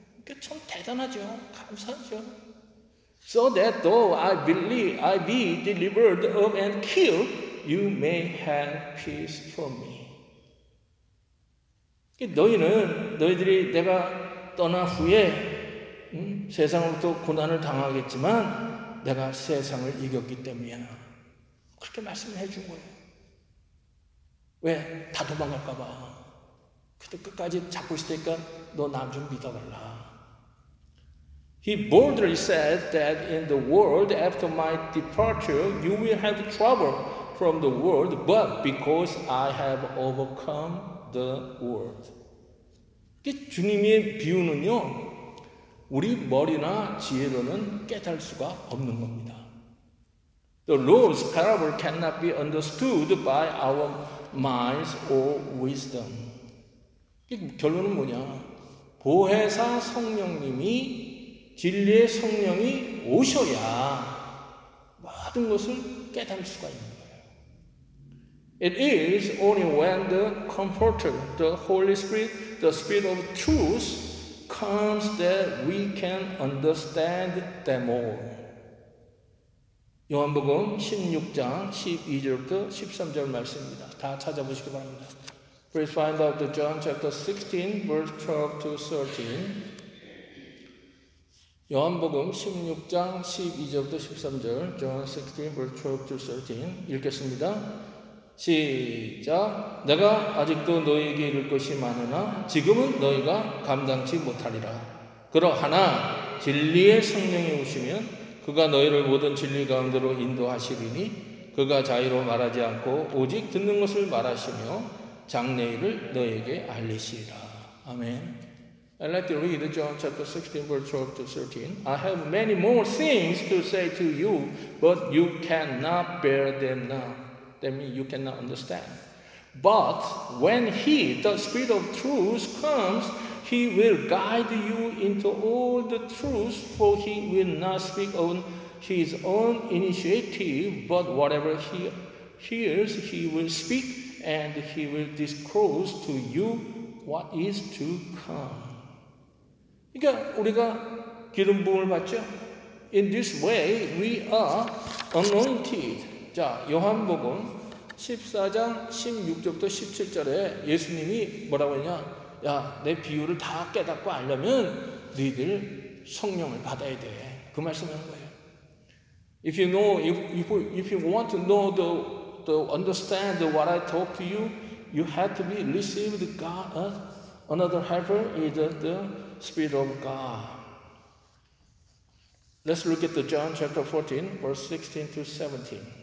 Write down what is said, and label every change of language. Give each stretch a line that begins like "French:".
Korean: 그게 참 대단하죠. 감사하죠.
English: So that though I be delivered up and killed, you may have peace for me.
Korean: 너희들이 내가 떠난 후에 세상으로부터 고난을 당하겠지만 내가 세상을 이겼기 때문이야. 그렇게 말씀을 해준 거예요. 왜? 다 도망갈까 봐. 그래도 끝까지 잡고 있을 테니까 너 남 좀 믿어달라.
English: He boldly said that in the world after my departure you will have trouble from the world but because I have overcome the world.
Korean: 주님의 비유는요, 우리 머리나 지혜로는 깨달을 수가 없는 겁니다.
English: The Lord's parable cannot be understood by our minds or wisdom.
Korean: 결론은 뭐냐? 보혜사 성령님이, 진리의 성령이 오셔야 모든 것을 깨달을 수가 있는 거예요.
English: It is only when the Comforter, the Holy Spirit, the Spirit of Truth comes that we can understand them all.
Korean: 요한복음 16장 12절부터 13절 말씀입니다. 다 찾아보시기 바랍니다.
English: Please find out the John chapter 16, verse 12 to 13.
Korean: 요한복음 16장 12절부터 13절,
English: John 16, verse 12 to 13.
Korean: 읽겠습니다. 시작. 내가 아직도 너희에게 이를 것이 많으나 지금은 너희가 감당치 못하리라. 그러하나 진리의 성령이 오시면 그가 너희를 모든 진리 가운데로 인도하시리니 그가 자유로 말하지 않고 오직 듣는 것을 말하시며 장래일을 너희에게 알리시리라.
English: 아멘. I'd like to read John chapter 16, verse 12 to 13. I have many more things to say to you, but you cannot bear them now. That means you cannot understand. But when He, the Spirit of truth, comes, He will guide you into all the truth, for He will not speak on His own initiative, but whatever He hears, He will speak, and He will disclose to you what is to come.
Korean: 그러니까 우리가 기름 부음을 받죠.
English: In this way we are anointed.
Korean: 자, 요한복음 14장 16절부터 17절에 예수님이 뭐라고 했냐? 야, 내 비유를 다 깨닫고 알려면 너희들 성령을 받아야 돼. 그 말씀하는 거예요.
English: If you know if you want to know the understand what I talk to you, you have to be received God another helper is the Spirit of God. Let's look at the John chapter 14, verse 16 to 17.